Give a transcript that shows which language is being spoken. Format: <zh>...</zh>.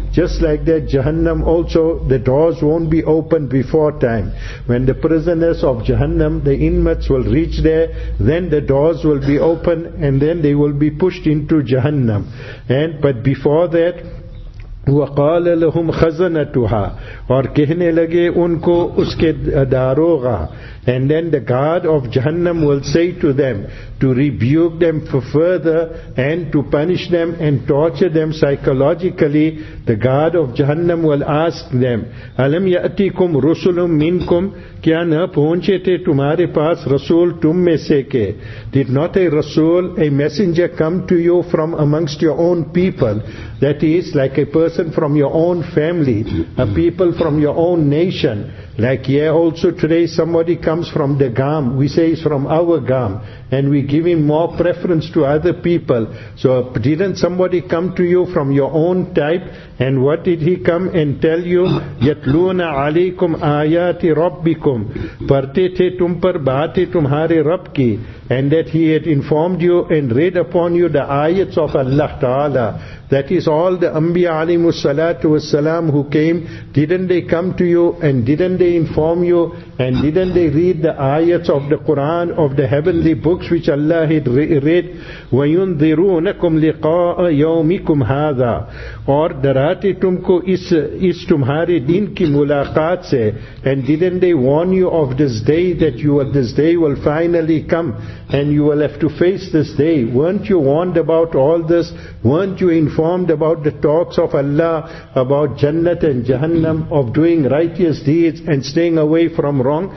<en>Just like that, Jahannam also, the doors won't be opened before time. When the prisoners of Jahannam, the inmates, will reach there, then the doors will be opened and then they will be pushed into Jahannam. And but before that,</en> <ar>وَقَالَ لَهُمْ خَزَنَتُهَا.</ar> <ur>اور کہنے لگے ان کو اس کے داروغا.</ur> <en>And then the guard of Jahannam will say to them, to rebuke them for further and to punish them and torture them psychologically, the guard of Jahannam will ask them,</en> <ar>أَلَمْ يَأْتِكُمْ رُسُلٌ مِّنْكُمْ.</ar> <ur>کیا نہ پہنچے تھے تمہارے پاس رسول تم میں سے کے.</ur> <en>Did not a rasul, a messenger come to you from amongst your own people? That is, like a person from your own family, a people from your own nation. Like here also today, somebody comes from the Gam. We say he's from our Gam. And we give him more preference to other people. So didn't somebody come to you from your own type? And what did he come and tell you?</en> <ar>يَتْلُونَ عَلَيْكُمْ آيَاتِ رَبِّكُمْ.</ar> <ur>پڑھتے تھے تم پر باتیں تمہارے رب کی.</ur> <en>And that he had informed you and read upon you the ayats of Allah Ta'ala. That is, all the Anbiya alayhimus salatu wassalam who came, didn't they come to you and didn't they inform you and didn't they read the ayats of the Quran, of the heavenly books which Allah had read?</en> <ar>وَيُنذِرُونَكُمْ لِقَاءَ يَوْمِكُمْ هَذَا.</ar> <ur>اور دراتے تم کو اس تمہارے دن کی ملاقات سے.</ur> <en>And didn't they warn you of this day, that you, this day will finally come and you will have to face this day? Weren't you warned about all this? Weren't you informed about the talks of Allah, about Jannat and Jahannam, of doing righteous deeds and staying away from wrong?</en>